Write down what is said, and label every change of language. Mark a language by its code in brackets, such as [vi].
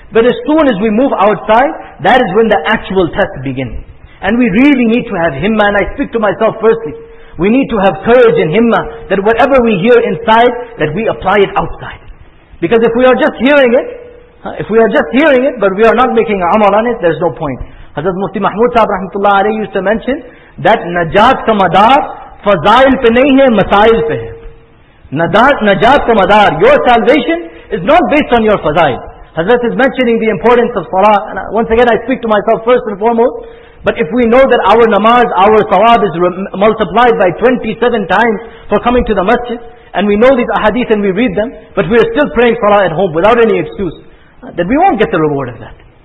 [en] But as soon as we move outside, that is when the actual test begins. And we really need to have himmah, and I speak to myself firstly. We need to have courage and himmah, that whatever we hear inside, that we apply it outside. Because if we are just hearing it, but we are not making amal on it, there's no point. [ur] حضرت مفتی محمود صاحب رحمۃ اللہ علیہ [en] used to mention that [ur] نجات کا مدار فضائل پہ نہیں ہے، مسائل پہ ہے. Najat ka madar, [en] your salvation is not based on your fazail. Hazrat is mentioning the importance of salah. And once again, I speak to myself first and foremost. But if we know that our namaz, our sawab is multiplied by 27 times for coming to the masjid, and we know these ahadith and we read them, but we are still praying salah at home without any excuse, then we won't get the reward of that.